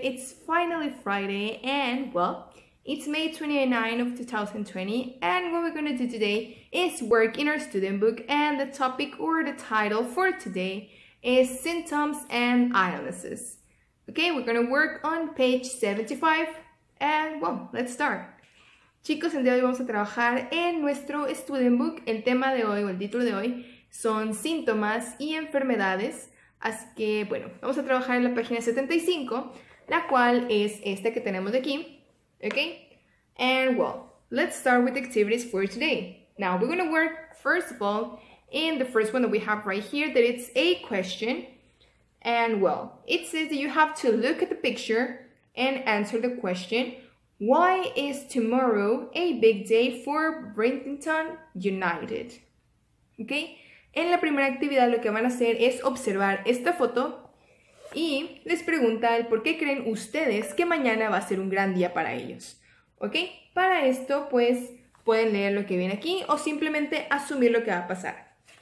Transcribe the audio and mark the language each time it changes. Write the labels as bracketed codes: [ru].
[en] It's finally Friday and well, it's May 29th of 2020 and what we're gonna do today is work in our student book and the topic or the title for today is symptoms and illnesses. Okay, we're gonna work on page 75 and well, let's start. [es] Chicos, el día de hoy vamos a trabajar en nuestro [en] student book. [es] El tema de hoy o el título de hoy son síntomas y enfermedades. Así que, bueno, vamos a trabajar en la página 75, la cual es esta que tenemos aquí, okay? [en] And, well, let's start with the activities for today. Now, we're going to work, first of all, in the first one that we have right here, that it's a question. And, well, it says that you have to look at the picture and answer the question, why is tomorrow a big day for Bridgeton United? Okay? [es] En la primera actividad lo que van a hacer es observar esta foto y les pregunta el por qué creen ustedes que mañana va a ser un gran día para ellos, ¿ok? Para esto, pues, pueden leer lo que viene aquí o simplemente asumir lo que va a pasar.